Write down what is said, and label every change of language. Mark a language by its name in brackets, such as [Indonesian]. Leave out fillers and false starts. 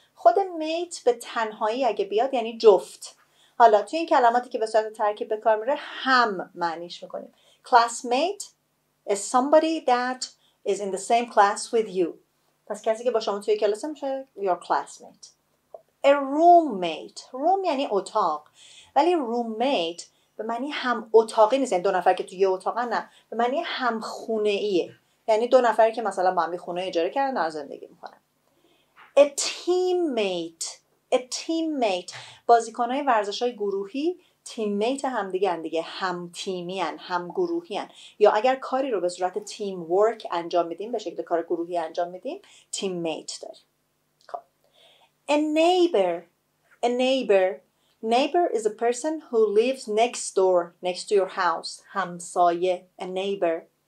[Persian] خود mate به تنهایی اگه بیاد یعنی جفت. حالا تو این کلماتی که به صورت ترکیب به کار میره هم معنیش میکنیم. [English] Classmate is somebody that is in the same class with you. [Persian] پس کسی که با شما توی کلاس میشه [English] your classmate. A roommate. Room [Persian] یعنی اتاق. ولی roommate به معنی هم اتاقی نیست، یعنی دو نفر که توی یه اتاق، نه، به معنی هم خونه ایه، یعنی دو نفر که مثلا با هم یه خونه اجاره کردن در زندگی میکنن. A teammate بازیکنهای ورزشهای گروهی تیممیت هم دیگه هن، دیگه هم تیمی هن، هم گروهی هن. یا اگر کاری رو به صورت تیم ورک انجام میدیم، به شکل کار گروهی انجام میدیم، تیممیت داریم. [English] A neighbor Neighbor is a person who lives next door, next to your house. همسایه. A neighbor.